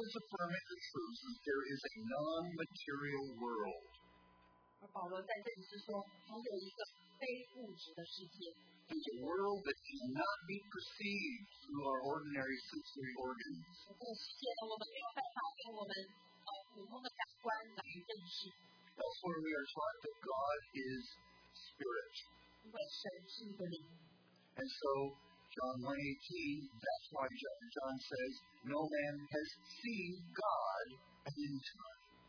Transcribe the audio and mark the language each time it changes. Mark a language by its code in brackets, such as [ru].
[en] is affirming the truth that there is a non-material world. [zh] 而保罗在这里是说，还有一个非物质的世界。 [en] It's a world that cannot be perceived through our ordinary sensory organs. [zh] 这个世界呢，我们没有办法用我们。 [en] Elsewhere we are taught that God is spirit. And so, John 1:18, that's why John says, no man has seen God at any time.